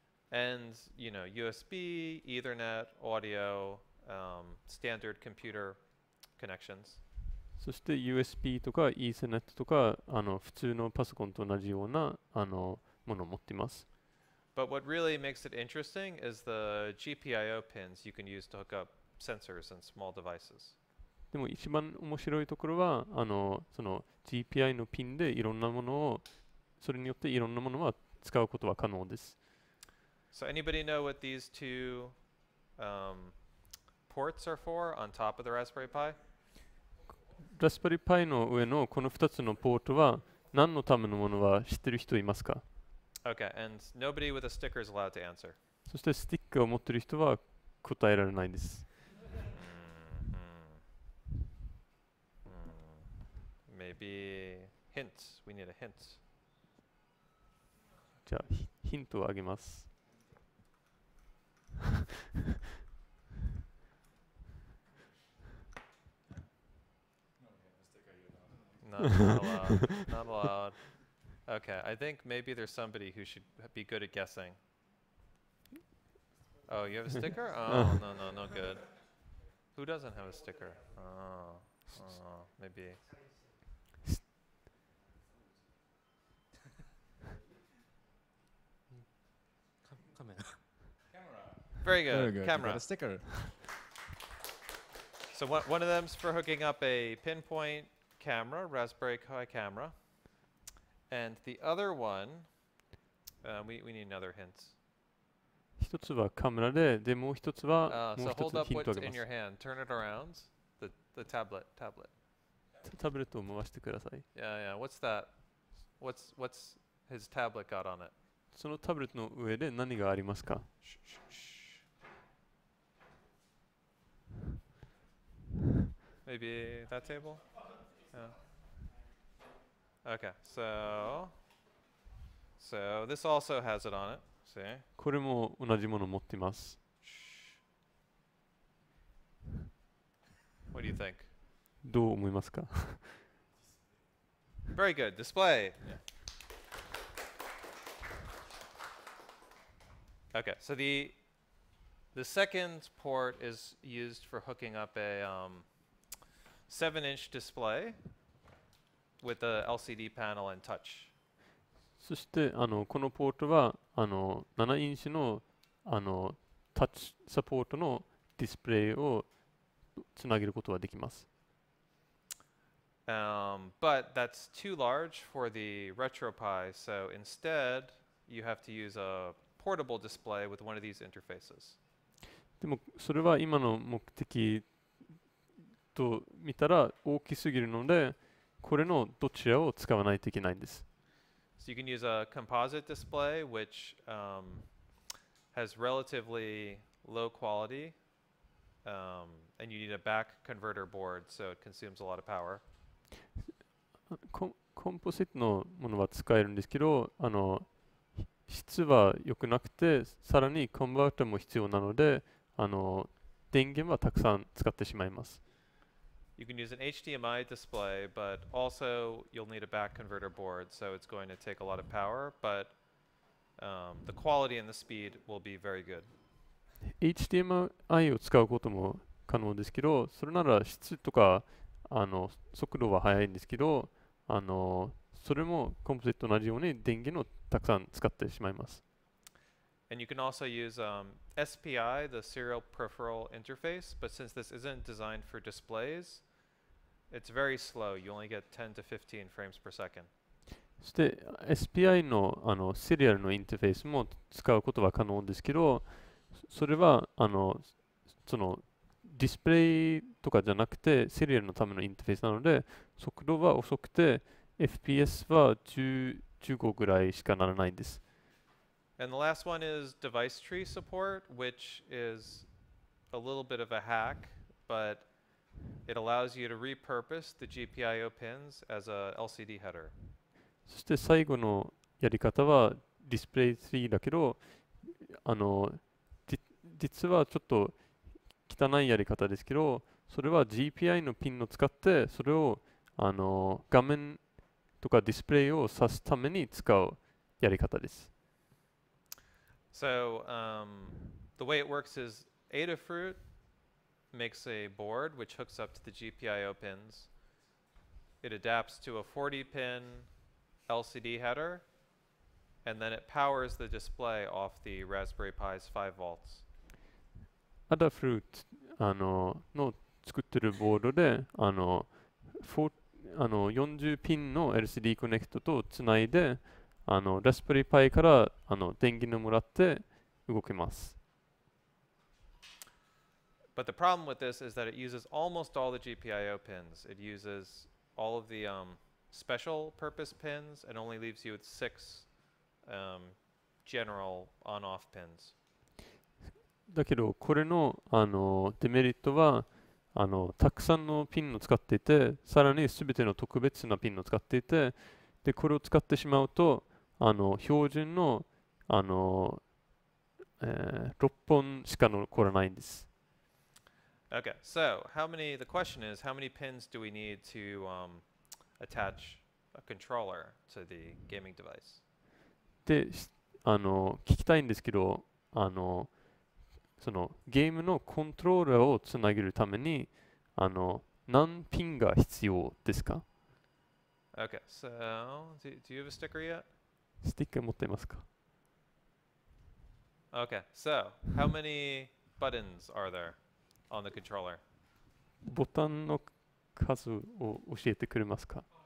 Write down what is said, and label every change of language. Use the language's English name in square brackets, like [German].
[English] And you know, USB, Ethernet, audio, standard computer connections. [Japanese] そして USB とか Ethernet とかあの普通のパソコンと同じようなあのものを持っています。 [English] But what really makes it interesting is the GPIO pins you can use to hook up sensors and small devices. [Japanese] でも一番面白いところはあのその GPI のピンでいろんなものをそれによっていろんなものは使うことは可能です。 [English] So anybody know what these two ports are for on top of the Raspberry Pi? [Japanese] Raspberry Pi の上のこの2つのポートは何のためのものは知ってる人いますか? [English] Okay, and nobody with a sticker is allowed to answer. [Japanese] そしてスティックを持ってる人は答えられないです。 [English] Maybe hints. We need a hint. [Japanese] じゃあヒントをあげます。 [English] not allowed. Okay, I think maybe there's somebody who should be good at guessing. Oh, you have a sticker? Oh, no, no good. Who doesn't have a sticker? Oh, maybe. Come in. Very good. Very good. Camera. You got a sticker. So one of them's for hooking up a pinpoint camera, Raspberry Pi camera. And the other one, we need another hint. [Japanese] 一つはカメラで、でもう一つはもう一つのヒントがあります。 [English] What's in your hand? Turn it around. The tablet. [Japanese] Tablet を回してください。 [English] Yeah. What's that? What's his tablet got on it? [Japanese] そのタブレットの上で何がありますか? [English] Maybe that table? Yeah. Okay, so this also has it on it. See? [Japanese] これも同じもの持ってます。 [English] What do you think? [Japanese] どう思いますか? [English] Very good. Display. Yeah. Okay, so the second port is used for hooking up a 7-inch display with a LCD panel and touch. [Japanese] そしてあのこのポートはあの7インチのあのタッチサポートのディスプレイをつなげることはできます。 [English] But that's too large for the RetroPi, so instead you have to use a portable display with one of these interfaces. [Japanese] でもそれは今の目的と見たら大きすぎるので、これのどちらを使わないといけないんです。 [English] So you can use a composite display, which has relatively low quality, and you need a back converter board, so it consumes a lot of power. [Japanese] Composite のものは使えるんですけど、あの質は良くなくて、さらにコンバーターも必要なので、あの電源はたくさん使ってしまいます。 [English] You can use an HDMI display, but also you'll need a back converter board, so it's going to take a lot of power, but the quality and the speed will be very good. [Japanese] HDMI を使うことも可能ですけど、それなら質とかあの速度は速いんですけど、あのそれもコンポジットと同じように電源をたくさん使ってしまいます。 [English] And you can also use SPI, the serial peripheral interface, but since this isn't designed for displays, it's very slow. You only get 10 to 15 frames per second. [Japanese] そして SPI のあのシリアルのインターフェースも使うことは可能ですけど、それはあのそのディスプレイとかじゃなくてシリアルのためのインターフェースなので、速度は遅くて FPS は15ぐらいしかならないんです。 [English] And the last one is device tree support, which is a little bit of a hack, but it allows you to repurpose the GPIO pins as a LCD header. [Japanese] そして最後のやり方はディスプレイツリーだけど、あの実はちょっと汚いやり方ですけど、それは GPI のピンを使ってそれをあの画面とかディスプレイを指すために使うやり方です。 [English] So, the way it works is Adafruit makes a board which hooks up to the GPIO pins. It adapts to a 40-pin LCD header, and then it powers the display off the Raspberry Pi's 5 volts. [Japanese] Adafruit あの、の作ってるボードで、あの、あの、40-pinの LCD コネクトとつないで、あのラスベリーパイからあの電源をもらって動けます。 [English] But the problem with this is that it uses almost all the GPIO pins. It uses all of the special purpose pins and only leaves you with six general on-off pins. [Japanese] だけどこれのあのデメリットはあのたくさんのピンを使っていて、さらにすべての特別なピンを使っていて、でこれを使ってしまうと。あの標準のあの、6本しか残らないんです。 [English] Okay, so how many? The question is, how many pins do we need to attach a controller to the gaming device? [Japanese] で、あの聞きたいんですけど、あのそのゲームのコントローラーをつなげるためにあの何ピンが必要ですか [English] ？Okay, so do you have a sticker yet? [Japanese] スティック持ってますか? [English] Okay, so how many buttons are there on the controller? [Japanese] ボタンの数を教えてくれますか?